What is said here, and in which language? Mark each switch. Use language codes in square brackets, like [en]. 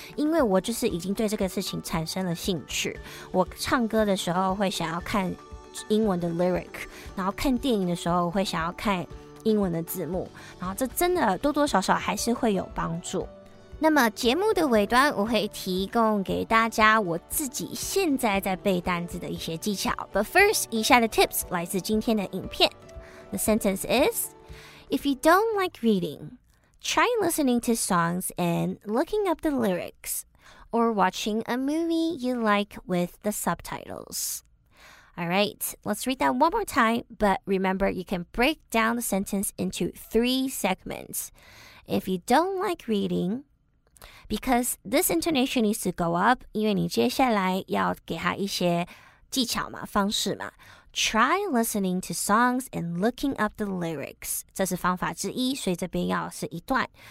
[zh] 因为我就是已经对这个事情产生了兴趣。我唱歌的时候会想要看英文的 lyric， 然后看电影的时候会想要看英文的字幕，然后这真的多多少少还是会有帮助。那么节目的尾端，我会提供给大家我自己现在在背单字的一些技巧。 [en] But first, [zh] 以下的 tips 来自今天的影片。 [en] The sentence is, If you don't like reading, try listening to songs and looking up the lyrics, or watching a movie you like with the subtitles. Alright, let's read that one more time, but remember you can break down the sentence into three segments. If you don't like readingBecause this intonation needs to go up, [zh] 因为你接下来要给他一些技巧嘛，方式嘛。 [en] Try listening to songs and looking up the lyrics. [zh] 这是方法之一，所以这边要是一段。